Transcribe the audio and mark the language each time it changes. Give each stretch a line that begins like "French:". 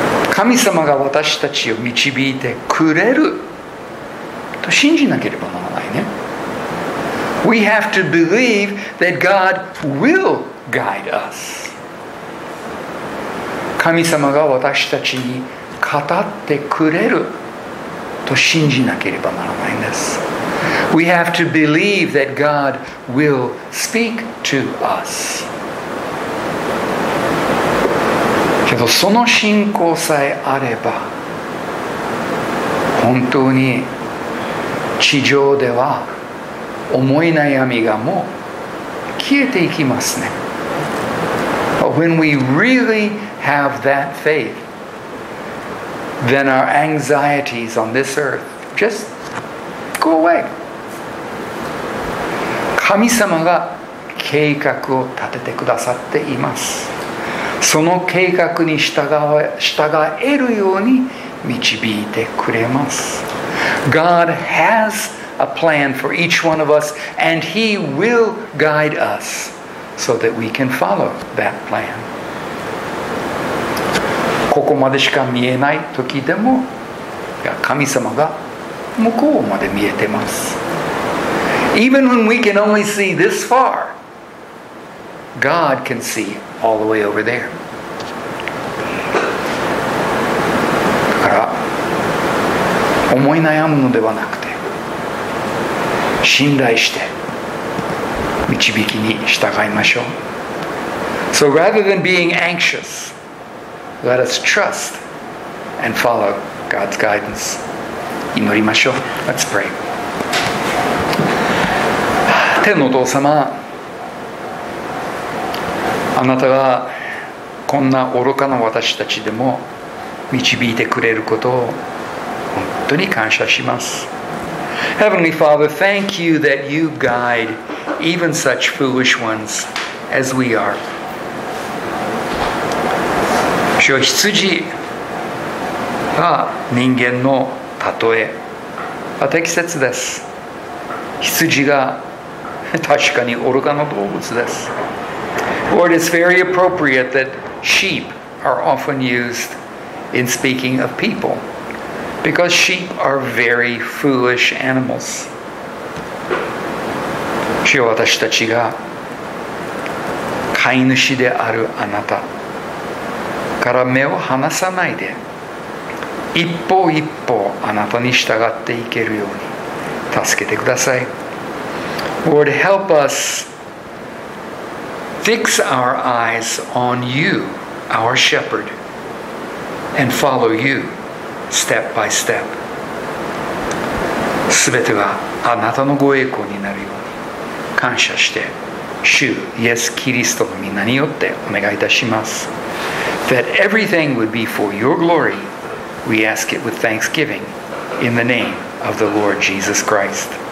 Japanese: 神様が私たちを導いてくれると信じなければならないね。
English: We have to believe that God will guide us.
Japanese: 神様が私たちに語ってくれると信じなければならないんです。
English: We have to believe that God will speak to us.
Japanese: けどその信仰さえあれば、本当に地上では思い悩みがもう消えていきますね。
English: When we really have that faith, then our anxieties on this earth just go away.
Japanese: 神様が計画を立ててくださっています。その計画に従えるように導いてくれます。
English: God has a plan for each one of us, and He will guide us so that we can follow that plan.
Japanese: ここまでしか見えない時でも、いや、神様が向こうまで見えてます。
English: Even when we can only see this far, God can see all the way over there.
Japanese: 思い悩むのではなくて、信頼して導きに従いましょう。
English: So rather than being anxious, let us trust and follow God's guidance.
Japanese: 祈りましょう。
English: Let's pray.
Japanese: 天のお父様、あなたがこんな愚かな私たちでも導いてくれることを本当に感謝します。
English: Heavenly Father, thank you that you guide even such foolish ones as we are.
Japanese: 主よ、羊が人間の例えは適切です。羊が確かに愚かな動物です。
English: Lord, it's very appropriate that sheep are often used in speaking of peopleBecause sheep are very foolish animals.
Japanese: 主よ、私たちが飼い主であるあなたから目を離さないで、一歩一歩あなたに従っていけるように助けてください。
English: Lord, help us Fix our eyes on you, our shepherd, and follow you step by step.
Japanese: すべてはあなたのご栄光になるように感謝して、主イエス・キリストの名によってお願いいたします。
English: That everything would be for your glory, we ask it with thanksgiving in the name of the Lord Jesus Christ.